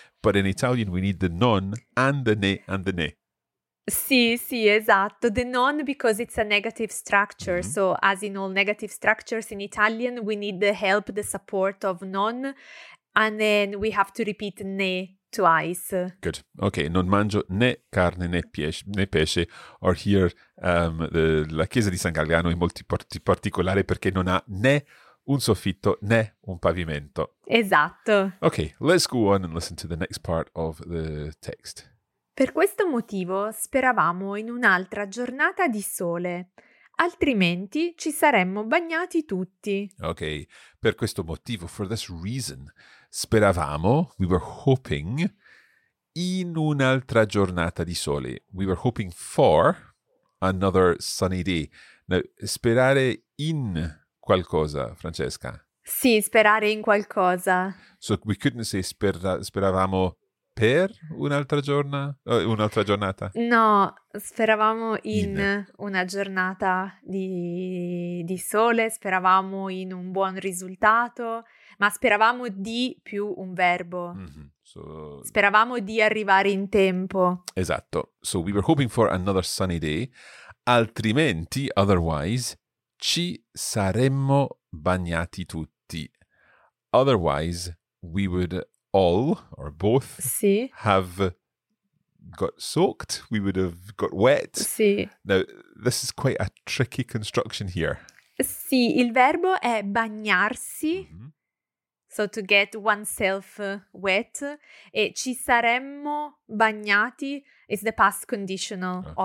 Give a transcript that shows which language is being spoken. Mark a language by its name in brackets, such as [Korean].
[English] But in Italian, we need the non and the ne and the ne. [Italian] Sì, sì, esatto. [English] The non because it's a negative structure. Mm-hmm. So as in all negative structures in Italian, we need the help, the support of non. And then we have to repeat ne. Twice. Good. Okay. [Italian] Non mangio né carne né pesce. [English] Or here, [Italian] la chiesa di San Galgano è molto particolare perché non ha né un soffitto né un pavimento. Esatto. [English] Okay. Let's go on and listen to the next part of the text. [Italian] Per questo motivo speravamo in un'altra giornata di sole. Altrimenti ci saremmo bagnati tutti. Okay, per questo motivo, [English] for this reason, [Italian] speravamo, [English] we were hoping, [Italian] in un'altra giornata di sole. [English] We were hoping for another sunny day. [Italian] Now, sperare in qualcosa, Francesca? Sì, sperare in qualcosa. [English] So we couldn't say [Italian] speravamo per un'altra giornata? No, speravamo in una giornata di sole, speravamo in un buon risultato, ma speravamo di più un verbo. [English] Mm-hmm. So, [Italian] speravamo di arrivare in tempo. Esatto. [English] So we were hoping for another sunny day, altrimenti, otherwise, [Italian] ci saremmo bagnati tutti. [English] Otherwise, we would all, or both, [Italian] sì. [English] have got soaked, we would have got wet. [Italian] Sì. [English] Now, this is quite a tricky construction here. [Italian] Sì, il verbo è bagnarsi, mm-hmm. [English] so to get oneself wet, [Italian] e ci saremmo bagnati [English] is the past conditional okay.